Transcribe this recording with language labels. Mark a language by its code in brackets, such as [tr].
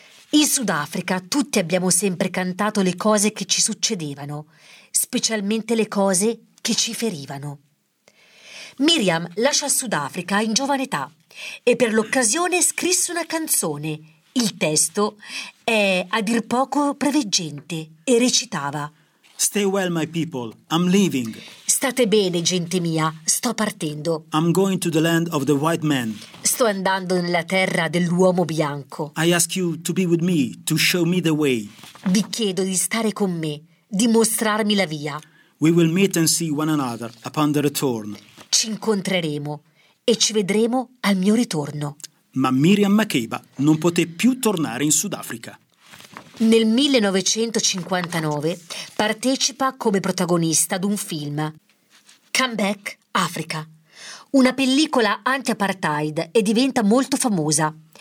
[it] In Sudafrica tutti abbiamo sempre cantato le cose che ci succedevano, specialmente le cose che ci ferivano. Miriam lascia il Sudafrica in giovane età e per l'occasione scrisse una canzone. Il testo è a dir poco preveggente e recitava: [en] Stay well, my people, I'm leaving. [it] State bene, gente mia, sto partendo. [en] I'm going to the land of the white man. [it] Sto andando nella terra dell'uomo bianco. [en] I ask you to be with me, to show me the way. [it] Vi chiedo di stare con me, di mostrarmi la via. [en] We will meet and see one another upon the return. [it] Ci incontreremo e ci vedremo al mio ritorno. Ma Miriam Makeba non poté più tornare in Sudafrica. Nel 1959 partecipa come protagonista ad un film, Come Back Africa, una pellicola anti-apartheid, e diventa molto famosa.